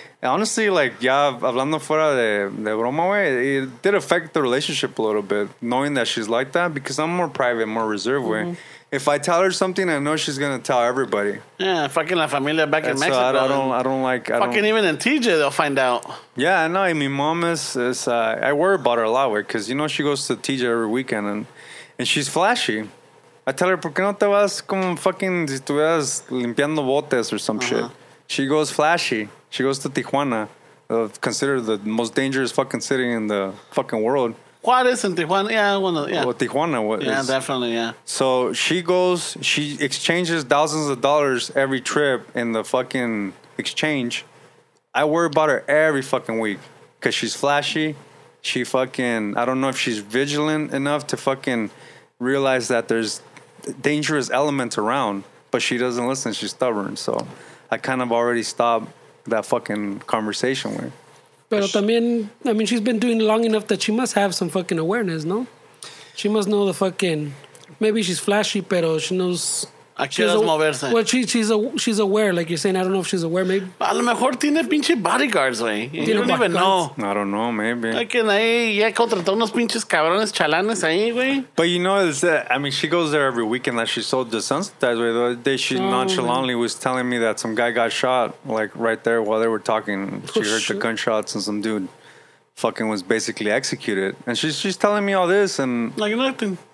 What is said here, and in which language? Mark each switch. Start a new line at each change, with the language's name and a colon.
English: honestly, like,
Spanish: ya hablando fuera de broma,
English: wey, it did affect the relationship a little bit, knowing that she's like that, because I'm more private, more reserved, wey. Mm-hmm. If I tell her something, I know she's going to tell everybody. Yeah, fucking
Spanish: la familia
English: back in Mexico. I don't even in TJ, they'll find out. Yeah, I know. My mom is I worry about her a lot, wey, because, you know, she goes to TJ every weekend, and she's flashy. I tell her,
Spanish: ¿por qué no te vas como fucking si estuvieras limpiando botes
English: or some shit? She goes flashy. She goes to Tijuana, considered the most dangerous fucking city in the fucking world. Juarez and Tijuana, yeah. Well, Tijuana. Definitely, yeah. So she goes, she exchanges thousands of dollars every trip in the fucking exchange. I worry about her every fucking week because she's flashy. She fucking, I don't know if she's vigilant enough to fucking realize that there's dangerous elements around, but she doesn't listen. She's stubborn. So I kind of already stopped that fucking conversation with. But I mean, she's been doing long enough that she must have some fucking awareness, no? She must know the fucking. Maybe she's flashy, pero she knows.
Spanish: Moverse.
English: Well, she's aware, like you're saying. I don't know if she's aware, maybe.
Spanish: A lo mejor tiene pinche bodyguards, güey.
English: You don't even know. I don't know, maybe.
Spanish: Like, en ahí ya contrató unos pinches cabrones chalanes ahí, güey.
English: But you know, she goes there every weekend. That she's so desensitized, güey. The other day, she nonchalantly was telling me that some guy got shot, like, right there while they were talking. She heard the gunshots and some dude fucking was basically executed. And she's telling me all this and... like nothing.